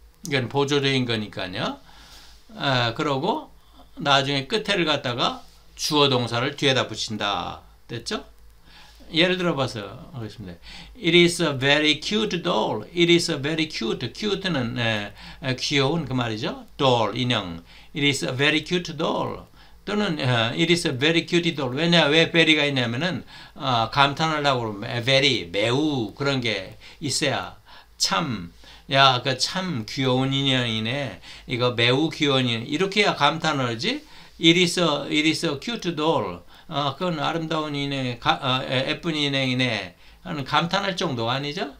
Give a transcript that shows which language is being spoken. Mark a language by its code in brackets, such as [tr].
[ko] 이건 보조적인 거니까요. 그러고 나중에 끝에를 갖다가 주어 동사를 뒤에다 붙인다. 됐죠? 예를 들어봐서 하겠습니다. [en] It is a very cute doll. It is a very cute. [ko] Cute는 귀여운 그 말이죠. [en] Doll, 인형. It is a very cute doll. 또는 It is a very cute doll. [ko] 왜냐? 왜 very가 있냐면은 감탄하려고 그러면 very, 매우 그런 게 있어야 참 야, 그 참 귀여운 인형이네. 이거 매우 귀여운 인형. 이렇게야 감탄을 하지. [en] It is a cute doll. [ko] 그건 아름다운 인형, 예쁜 인형이네. 하는 감탄할 정도가 아니죠.